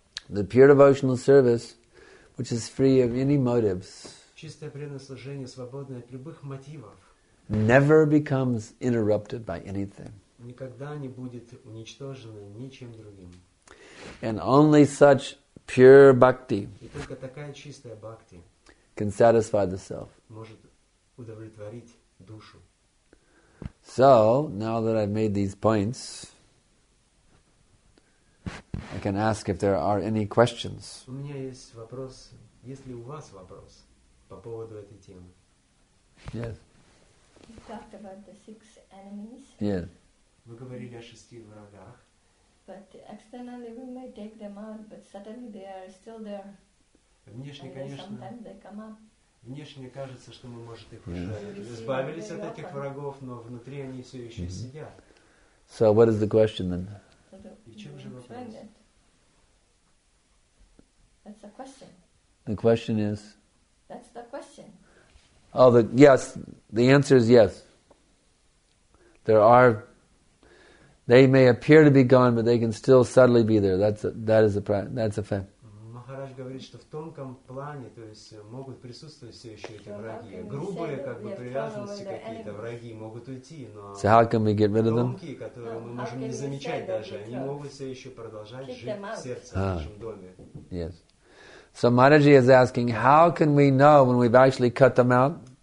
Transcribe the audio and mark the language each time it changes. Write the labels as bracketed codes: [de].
[en] The pure devotional service, which is free of any motives, [ru] чистое преданное служение, свободное от любых мотивов, [en] never becomes interrupted by anything. [ru] Никогда не будет уничтожено ничем другим. [en] And only such pure bhakti, [ru] и только такая чистая бхакти, [en] can satisfy the self. [ru] Может удовлетворить душу. [en] So, now that I've made these points, I can ask if there are any questions. [ru] У меня есть вопрос, есть ли у вас вопрос по поводу этой темы? [en] Yes. You talked about the six enemies. Yes. [ru] Вы говорили о шести врагах. [en] But externally we may take them out, but suddenly they are still there. [ru] Внешне, конечно. [en] Sometimes they come up. [ru] Внешне кажется, что мы, может, их уже избавились от этих врагов, но внутри они все еще сидят. [en] So what is the question then? [ru] И в чем же вопрос? [en] That's a question. The question is? That's the question. Oh, the answer is yes. There are, they may appear to be gone, but they can still subtly be there. That's a fact. [ru] Махарадж говорит, что в тонком плане, то есть могут присутствовать все еще эти враги. Грубые, как бы, привязанности какие-то, враги могут уйти, но тонкие, которые мы можем не замечать даже, они могут все еще продолжать жить в сердце, в нашем доме. [en] Yes. So Mataji is asking, how can we know when we've actually cut them out?